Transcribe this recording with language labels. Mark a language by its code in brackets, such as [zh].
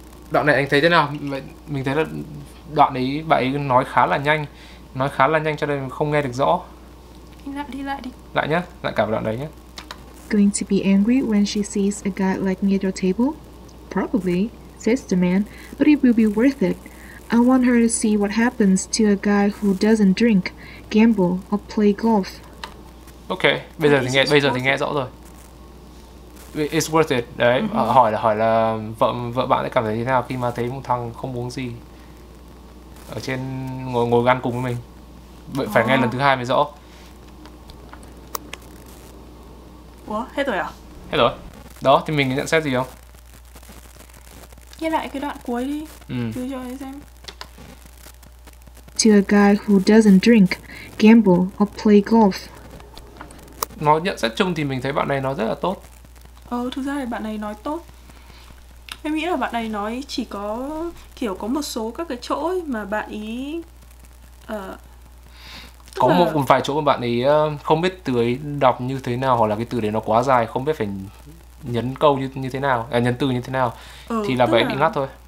[vi] Đoạn này anh thấy thế nào? Mình thấy là đoạn ấy bạn ấy nói khá là nhanh cho nên không nghe được rõ. Lại cả đoạn đấy nhé. [en] Going to be angry when she sees a guy like me at your table? Probably, says the man, but it will be worth it. I want her to see what happens to a guy who doesn't drink, gamble, or play golf. [vi] Okay, bây giờ thì nghe rõ rồi. [en] It's worth it, [vi] đấy. Mm-hmm. Hỏi là vợ bạn sẽ cảm thấy thế nào khi mà thấy một thằng không uống gì ở trên ngồi ăn cùng với mình. Phải nghe lần thứ hai mới rõ. Ủa, hết rồi à? Hết rồi. Đó, thì mình có nhận xét gì không? Nghe lại cái đoạn cuối đi. Cứ cho anh xem. [en] To a guy who doesn't drink, gamble, or play golf. [vi] Nó nhận xét chung thì mình thấy bạn này nói rất là tốt. Thực ra thì bạn này nói tốt. Em nghĩ là bạn này nói chỉ có kiểu có một số các cái chỗ ấy mà bạn ý có một vài chỗ mà bạn ấy không biết từ ấy đọc như thế nào, hoặc là cái từ đấy nó quá dài, không biết phải nhấn câu như thế nào, nhấn từ như thế nào, thì là bạn ấy bị ngắt thôi.